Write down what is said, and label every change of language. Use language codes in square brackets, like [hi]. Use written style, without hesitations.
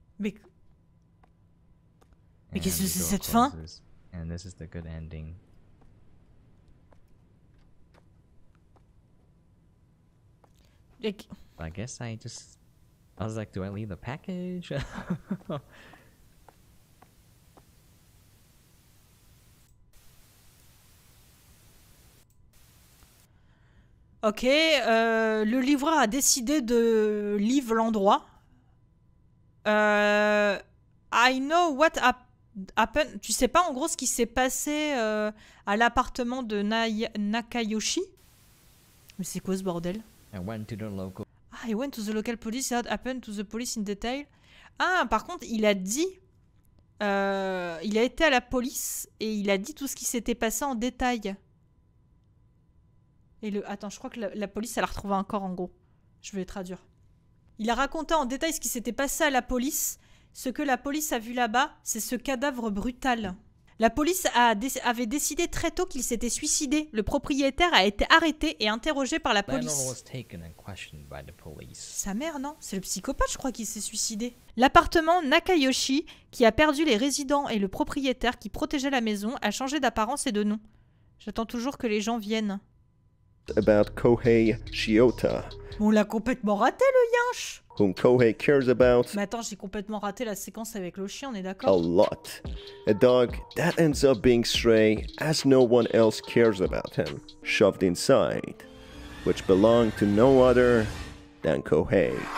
[fr] Mais qu'est-ce que c'est cette fin? [en] And this is the good ending. [fr] Je [en] Like, I guess I just... I was like, do I leave the package? [fr] Ok, le livreur a décidé de livrer l'endroit. [en] I know what happened. [fr] Tu sais pas en gros ce qui s'est passé à l'appartement de Nakayoshi? Mais c'est quoi ce bordel? [en] I went to the local. Ah, I went to the local police. What happened to the police in detail? [fr] Ah, par contre, il a dit. Il a été à la police et il a dit tout ce qui s'était passé en détail. Et le... Attends, je crois que la police, elle a retrouvé un corps, en gros. Je vais traduire. Il a raconté en détail ce qui s'était passé à la police. Ce que la police a vu là-bas, c'est ce cadavre brutal. La police avait décidé très tôt qu'il s'était suicidé. Le propriétaire a été arrêté et interrogé par la police. [en] Was taken and questioned by the police. [fr] Sa mère, non? C'est le psychopathe, je crois, qui s'est suicidé. L'appartement Nakayoshi, qui a perdu les résidents et le propriétaire qui protégeait la maison, a changé d'apparence et de nom. J'attends toujours que les gens viennent. [en] About Kohei Shiota. [fr] On l'a complètement raté, le yinche. [en] Whom Kohei cares about. [fr] Mais attends, j'ai complètement raté la séquence avec le chien, on est d'accord? [en] A lot. A dog that ends up being stray as no one else cares about him. Shoved inside. Which belonged to no other than Kohei.